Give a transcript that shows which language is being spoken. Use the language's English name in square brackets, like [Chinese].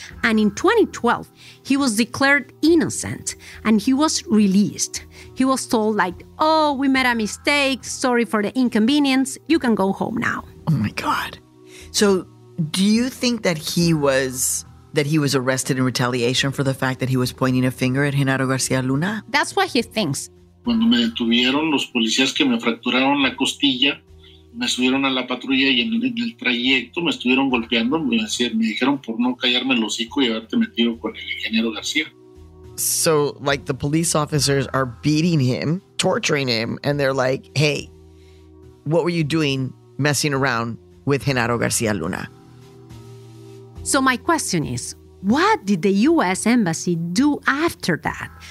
[English] And in 2012, he was declared innocent and he was released. He was told like, oh, we made a mistake. Sorry for the inconvenience. You can go home now. Oh my God. So do you think that he was arrested in retaliation for the fact that he was pointing a finger at Genaro García Luna? That's what he thinks. [Spanish] Cuando me detuvieron, los policías que me fracturaron la costilla, me subieron a la patrulla y en el trayecto me estuvieron golpeando. Me dijeron por no callarme el hocico y haberte metido con el ingeniero García. [English] So, like, the police officers are beating him, torturing him, and they're like, hey, what were you doing messing around with Genaro García Luna? So my question is, what did the U.S. Embassy do after that?